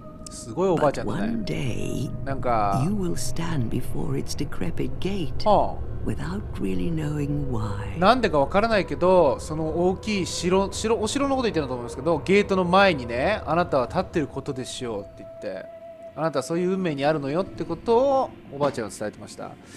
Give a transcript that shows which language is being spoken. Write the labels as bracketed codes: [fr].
[ja] すごいおばあちゃんだね。なんか、 [en] You will stand before its decrepit gate without really knowing why。 [ja] なんでかわからないけど、その大きい お城のこと言ってると思うんですけど、ゲートの前にね、あなたは立ってることでしょうって言って、あなたはそういう運命にあるのよってことをおばあちゃんは伝えてました。